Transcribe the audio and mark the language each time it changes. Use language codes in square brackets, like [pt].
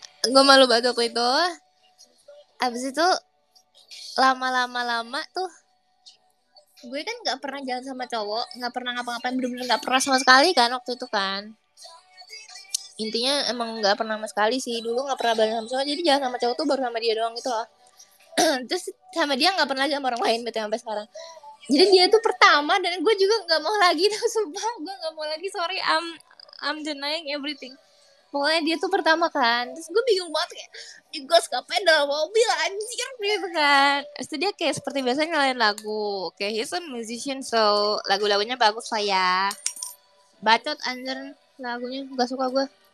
[id] Gue malu banget waktu itu. Abis itu lama-lama-lama tuh, gue kan gak pernah jalan sama cowok. Gak pernah ngapa-ngapain. Bener-bener gak pernah sama sekali kan waktu itu kan. Intinya emang gak pernah sama sekali sih. Dulu gak pernah bareng sama cowok. Jadi jalan sama cowok tuh baru sama dia doang gitu loh. Terus sama dia gak pernah sama orang lain gitu sampai sekarang. Jadi dia tuh pertama. Dan gue juga gak mau lagi tuh. Sumpah gue gak mau lagi. [en] Sorry, I'm denying everything. [id] Pokoknya dia tuh pertama kan. Terus gue bingung banget kayak, gue skapain dalam mobil anjir gitu kan. Terus dia kayak seperti biasa nyalain lagu. [en] Okay, he's a musician so [id] lagu-lagunya bagus lah ya. Bacot anjir lagunya, gak suka gue.